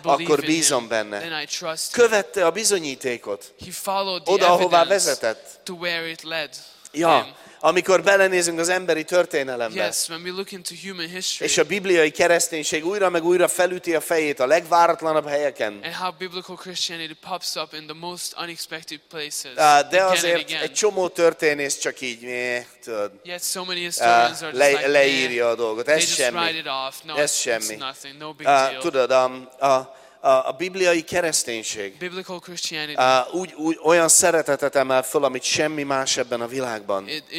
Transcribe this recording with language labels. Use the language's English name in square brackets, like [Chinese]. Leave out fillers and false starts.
[Hungarian] Akkor bízom benne. Követte a bizonyítékot. Oda, ahová vezetett. [English] It led. [Hungarian] Ja, amikor belenézünk az emberi történelembe, [English] yes, when we look into human history, [Hungarian] és a bibliai kereszténység újra meg újra felüti a fejét a legváratlanabb helyeken, [English] and how biblical Christianity pops up in the most unexpected places, [Hungarian] de azért egy csomó történész csak így, tudod, [English] yet so many historians are just like, [Hungarian] leírja a dolgot, ez semmi, [English] no, [Hungarian] ez semmi, [English] nothing, no big deal. [Hungarian] Tudod, a bibliai kereszténység úgy olyan szeretetet emel föl, amit semmi más ebben a világban.